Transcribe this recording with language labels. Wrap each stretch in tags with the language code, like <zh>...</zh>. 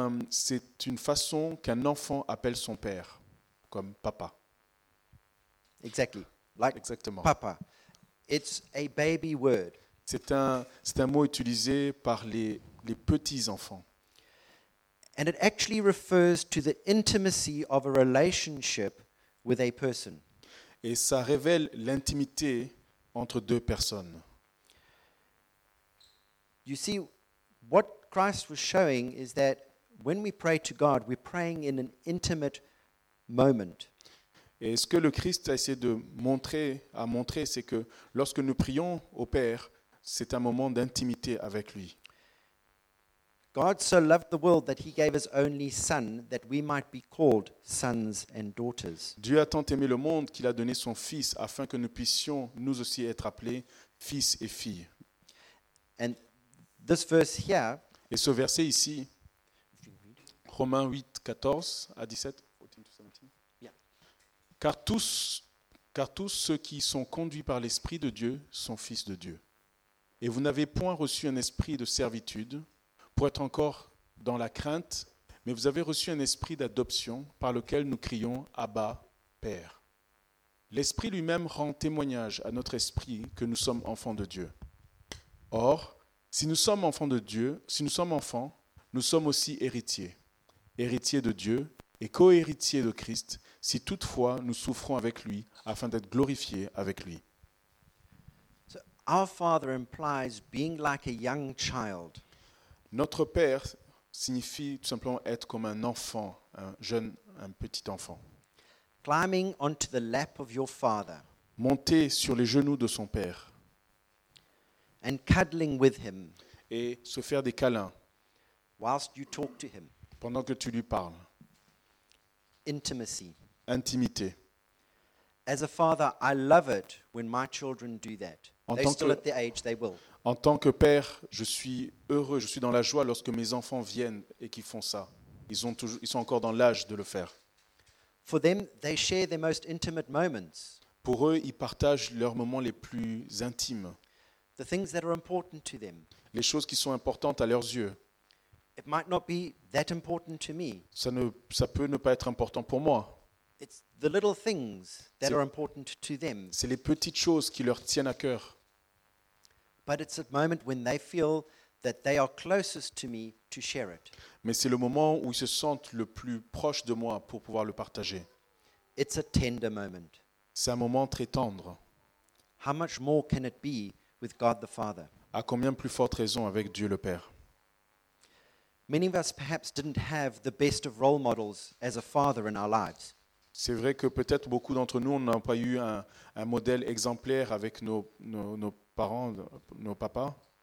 <fr>C'est une façon qu'un enfant appelle son père, comme papa.</fr> <en>Exactly. Like</en> <fr>Exactement.</fr> <en>Papa. It's a baby word.</en> <fr>C'est un mot utilisé par les petits enfants.</fr> <en>And it actually refers to the intimacy of a relationship with a person.</en> <fr>Et ça révèle l'intimité entre deux personnes.</fr> <en>You see, what Christ was showing is that when we pray to God, we're praying in an intimate moment.</en> <fr>Et ce que le Christ a essayé de montrer, c'est que lorsque nous prions au Père, c'est un moment d'intimité avec lui.</fr> <en>God so loved the world that he gave his only son that we might be called sons and daughters.</en> <fr>Dieu a tant aimé le monde qu'il a donné son fils afin que nous puissions nous aussi être appelés fils et filles.</fr> <en>And this verse here,</en> <fr>et ce verset ici, Romains 8, 14 à 17.</fr> <en>14 to 17. Yeah.</en> <fr>Car tous ceux qui sont conduits par l'Esprit de Dieu sont fils de Dieu. et vous n'avez point reçu un esprit de servitude pour être encore dans la crainte, mais vous avez reçu un esprit d'adoption par lequel nous crions « Abba, Père ». L'Esprit lui-même rend témoignage à notre esprit que nous sommes enfants de Dieu. Or, si nous sommes enfants de Dieu, si nous sommes enfants, nous sommes aussi héritiers, héritiers de Dieu et co-héritiers de Christ, si toutefois nous souffrons avec lui afin d'être glorifiés avec lui.</fr> <en>So, our Father implies being like a young child.</en> <fr>Notre Père signifie tout simplement être comme un enfant, un jeune, un petit enfant.</fr> <en>Climbing onto the lap of your father.</en> <fr>Monter sur les genoux de son père.</fr> <en>And cuddling with him.</en> <fr>Et se faire des câlins.</fr> <en>Whilst you talk to him.</en> <fr>Pendant que tu lui parles.</fr> <en>Intimacy.</en> <fr>Intimité.</fr> <en>As a father, I love it when my children do that. They're still at the age they will.</en> <fr>En tant que père, je suis heureux, je suis dans la joie lorsque mes enfants viennent et qu'ils font ça. Ils sont encore dans l'âge de le faire.</fr> <en>For them, they share their most intimate moments.</en> <fr>Pour eux, ils partagent leurs moments les plus intimes.</fr> <en>The things that are important to them.</en> <fr>Les choses qui sont importantes à leurs yeux.</fr> <en>It might not be that important to me.</en> <fr>Ça peut ne pas être important pour moi.</fr> <en>It's the little things that are important to them.</en> <fr>C'est les petites choses qui leur tiennent à cœur.</fr> <en>But it's a moment when they feel that they are closest to me to share it.</en> <fr>Mais c'est le moment où ils se sentent le plus proche de moi pour pouvoir le partager.</fr> <en>It's a tender moment.</en> <fr>C'est un moment très tendre.</fr> <en>How much more can it be with God the Father?</en> <fr>À combien plus forte raison avec Dieu le Père?</fr> <en>Many of us perhaps didn't have the best of role models as a father in our lives.</en> <fr>C'est vrai que peut-être beaucoup d'entre nous n'ont pas eu un modèle exemplaire avec nos parents, nos papas.</fr>